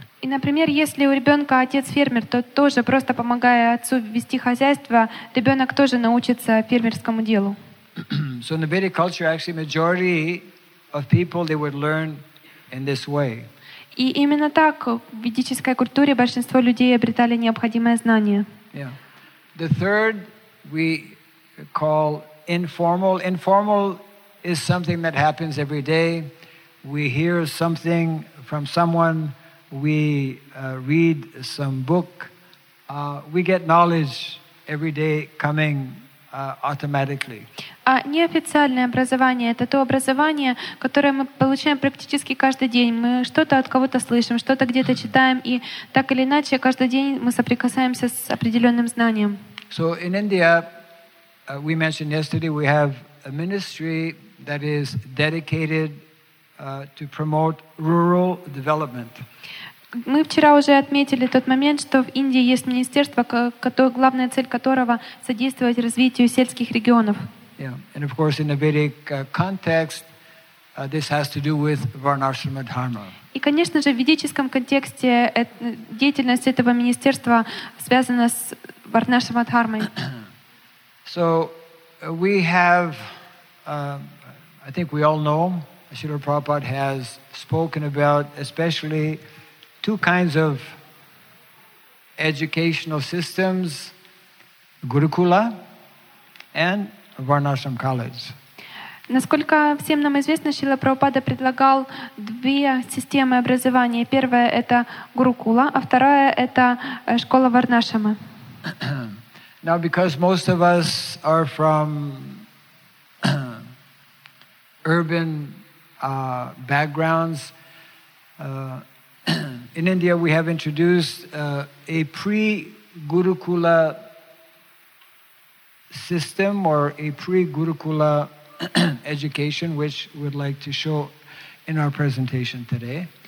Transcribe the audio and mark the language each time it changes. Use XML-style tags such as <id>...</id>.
<ru>И, например, если у ребенка отец фермер, то тоже просто помогая отцу вести хозяйство, ребенок тоже научится фермерскому делу.</ru> <en>So in the Vedic culture, actually, majority of people they would learn in this way.</en> <ru>И именно так в ведической культуре большинство людей обретали необходимое знание.</ru> <en>Yeah. The third we call informal. Informal is something that happens every day. We hear something from someone. We read some book. We get knowledge every day coming automatically.</en> <ru>А неофициальное образование — это то образование, которое мы получаем практически каждый день. Мы что-то от кого-то слышим, что-то где-то читаем, и так или иначе каждый день мы соприкасаемся с определенным знанием.</ru> <en>So in India, we mentioned yesterday, we have a ministry that is dedicated to promote rural development.</en> <ru>Мы вчера уже отметили тот момент, что в Индии есть министерство, главная цель которого — содействовать развитию сельских регионов.</ru> <en>Yeah. And of course, in a Vedic context, this has to do with Varnashrama Dharma.</en> <ru>И, конечно же, в ведическом контексте деятельность этого министерства связана с Варнашрама Дхармой.</ru> <en>So we have, I think we all know, Srila Prabhupada has spoken about especially two kinds of educational systems, Gurukula and Varnashram College.</en> <ru>Насколько всем нам известно, Шрила Прабхупада предлагал две системы образования. Первая — это Гурукула, а вторая — это школа Варнашрама.</ru> <en>Now, because most of us are from urban backgrounds, in India we have introduced a pre-Gurukula system or a pre-Gurukula education, which we'd like to show in our presentation today.</en>